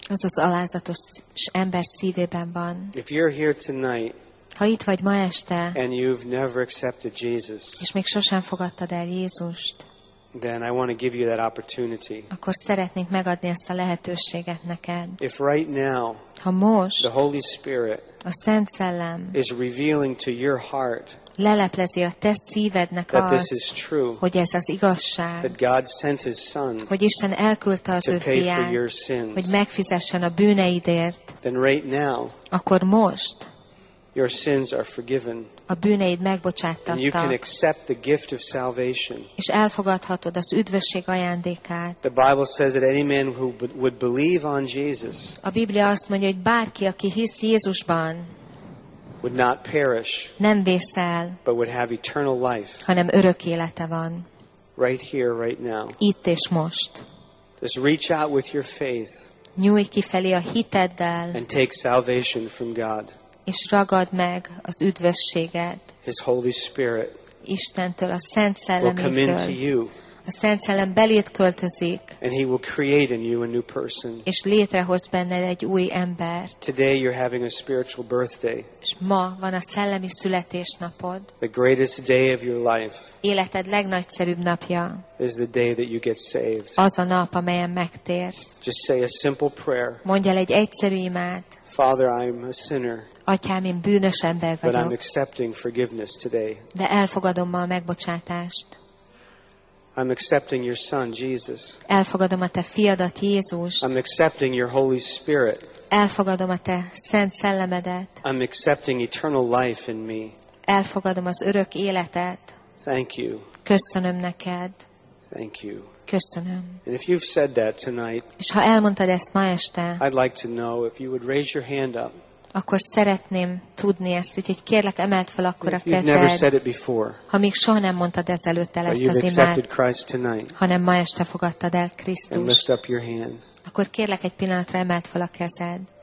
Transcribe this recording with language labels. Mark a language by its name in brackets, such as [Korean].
[Hungarian] az az alázatos ember szívében van. [English] If you're here tonight, [Hungarian] ha itt vagy ma este, [English] and you've never accepted Jesus, [Hungarian] és még sosem fogadtad el Jézust, [English] then I want to give you that opportunity. [Hungarian] Akkor szeretnénk megadni ezt a lehetőséget neked. [English] If right now, [Hungarian] ha most, [English] the Holy Spirit, [Hungarian] a Szent Szellem, [English] is revealing to your heart, [Hungarian] leleplezi a te szívednek [English] that this is true, [Hungarian] hogy ez az igazság, [English] that God sent His Son, [Hungarian] hogy Isten elküldte az [English] to [Hungarian] ő [English] pay [Hungarian] fiát, [English] for your sins, [Hungarian] hogy megfizessen a bűneidért, [English] then right now, [Hungarian] akkor most, [English] your sins are forgiven. [Hungarian] a bűneid megbocsátatta. És elfogadhatod az üdvösség ajándékát. [English] The Bible says that any man who would believe on Jesus. [Hungarian] A Biblia azt mondja, hogy bárki, aki hisz Jézusban, [English] would not perish. [Hungarian] Nem vészel. [English] But would have eternal life. [Hungarian] Hanem örök élete van. [English] Right here, right now. [Hungarian] Itt és most. [English] Just reach out with your faith. [Hungarian] Nyújj kifelé a hiteddel. [English] And take salvation from God. [Hungarian] És ragad meg az üdvösséget. [English] His Holy Spirit. [Hungarian] Istentől, a Szent Szellemétől. [English] Will come into you. [Hungarian] A Szent Szellem beléd költözik. [English] And he will create in you a new person. [Hungarian] És létrehoz benned egy új embert. [English] Today you're having a spiritual birthday. [Hungarian] És ma van a szellemi születésnapod. [English] The greatest day of your life. [Hungarian] Életed legnagyszerűbb napja. [English] Is the day that you get saved. [Hungarian] Az a nap, amelyen megtérsz. [English] Just say a simple prayer. [Hungarian] Mondjál egy egyszerű imát. [English] Father, I'm a sinner. [Hungarian] Atyám, én bűnös ember vagyok. [English] But I'm accepting forgiveness today. [Hungarian] De elfogadom ma a megbocsátást. [English] I'm accepting your son Jesus. [Hungarian] Elfogadom a te fiadat Jézust. [English] I'm accepting your Holy Spirit. [Hungarian] Elfogadom a te Szent Szellemedet. [English] I'm accepting eternal life in me. [Hungarian] Elfogadom az örök életet. [English] Thank you. [Hungarian] Köszönöm neked. [English] Thank you. [Hungarian] Köszönöm. [English] And if you've said that tonight. [Hungarian] És ha elmondtad ezt ma este. [English] I'd like to know if you would raise your hand up. [Hungarian] Akkor szeretném tudni ezt, úgyhogy kérlek, emeld fel akkor a kezed, ha még soha nem mondtad ezelőtt el ezt az imát, hanem ma este fogadtad el Krisztust, akkor kérlek, egy pillanatra emeld fel a kezed.